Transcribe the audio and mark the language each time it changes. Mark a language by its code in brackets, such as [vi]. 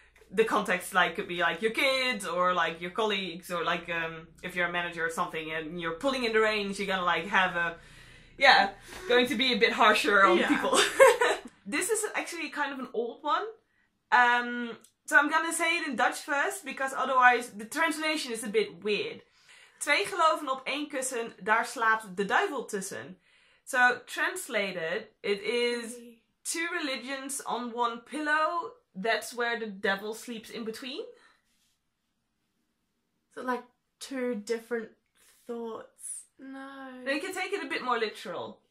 [en] the context, like, could be, like, your kids or, like, your colleagues or, like, if you're a manager or something and you're pulling in the reins, you're gonna, like, have a... Yeah, going to be a bit harsher on people. This is actually kind of an old one. So I'm gonna say it in Dutch first, because otherwise the translation is a bit weird. [nl] Twee geloven op één kussen, daar slaapt de duivel tussen. [en] So translated, it is two religions on one pillow, that's where the devil sleeps in between. So like two different thoughts? No. They can take it a bit more literal.